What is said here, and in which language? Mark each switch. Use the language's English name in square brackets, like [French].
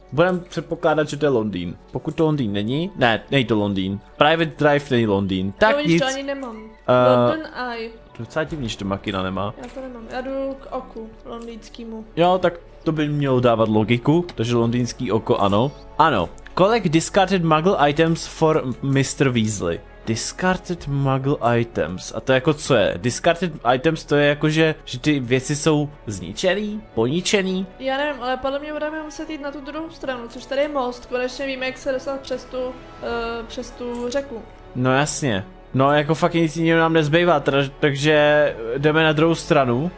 [Czech] Budeme předpokládat, že to je Londýn. Pokud to Londýn není, ne, nej to Londýn. Private Drive není Londýn. Tak to nic. To ani nemám. London Eye. To je docela divný, že to Makina nemá. Já to nemám, já jdu k oku londýnskýmu. Jo, tak to by mělo dávat logiku, takže londýnský oko ano. Ano. [English] Collect discarded muggle items for Mr. Weasley. Discarded muggle items. [Czech] A to jako co je? [English] Discarded items [Czech] to je jako, že ty věci jsou zničený, poničený. Já nevím, ale podle mě budeme muset jít na tu druhou stranu, což tady je most. Konečně víme, jak se dostat přes tu řeku. No jasně. No jako fakt nic jiného nám nezbývá, teda, takže jdeme na druhou stranu.